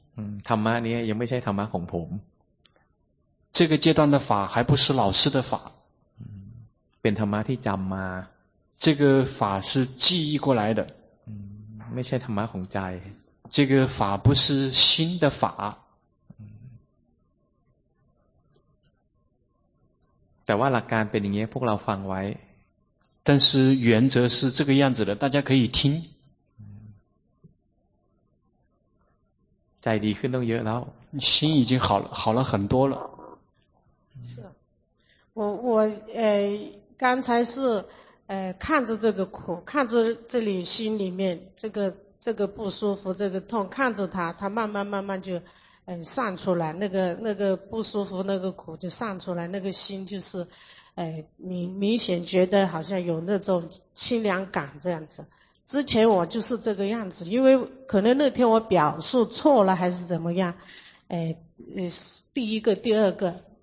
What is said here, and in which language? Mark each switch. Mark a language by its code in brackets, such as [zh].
[th] ธรรมะนี้ยังไม่ใช่ธรรมะของผม [zh] 这个阶段的法还不是老师的法 [th] เป็นธรรมะที่จำมา [zh] 这个法是记忆过来的 [th] ไม่ใช่ธรรมะของใจ [zh] 这个法不是心的法 [th] แต่ว่าหลักการเป็นอย่างนี้พวกเราฟังไว้ [zh] 但是原则是这个样子的大家可以听 [th] ใจดีขึ้นต้องเยอะแล้ว [zh] 心已经好了很多了是我刚才是看着这个苦看着这里心里面这个不舒服这个痛看着它慢慢就散出来那个不舒服那个苦就散出来那个心就是明显觉得好像有那种清凉感这样子之前我就是这个样子因为可能那天我表述错了还是怎么样第一个第二个